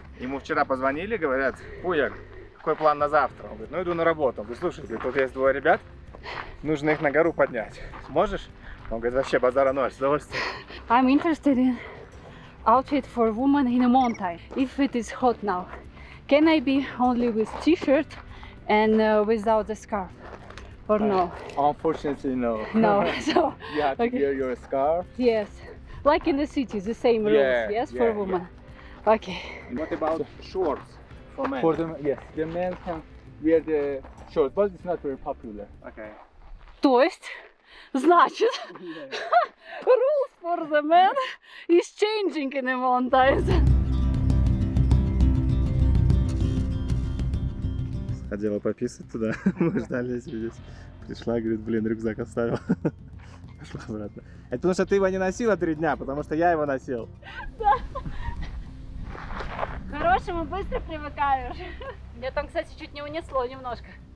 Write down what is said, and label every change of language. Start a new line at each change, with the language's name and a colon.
Russian: Ему вчера позвонили, говорят, Пуяк, какой план на завтра? Он говорит, ну иду на работу. Он говорит, слушай, тут есть двое ребят, нужно их на гору поднять. Сможешь? Он говорит, вообще базара ноль, с удовольствием.
English: I'm interested in outfit for woman in a mountain, if it is hot now. Can I be only with t-shirt and without the scarf? Or no? Unfortunately, no. No, so... You have to okay. wear your scarf? Yes. Like in the city, the same rules, yeah, yes, yeah, for women. Yeah. Okay. And what about shorts for men? For them, yes, the men can wear the shorts, but it's not very popular. Okay.
Russian: То есть, значит,
English: rules for the men is changing in the mountains.
Russian: Ходила пописать туда, мы ждали здесь. Пришла, говорит, блин, рюкзак оставил. Пошла обратно. Это потому что ты его не носила три дня, потому что я его носил. Да. Хорошему быстро привыкаешь. Меня там, кстати, чуть не унесло немножко.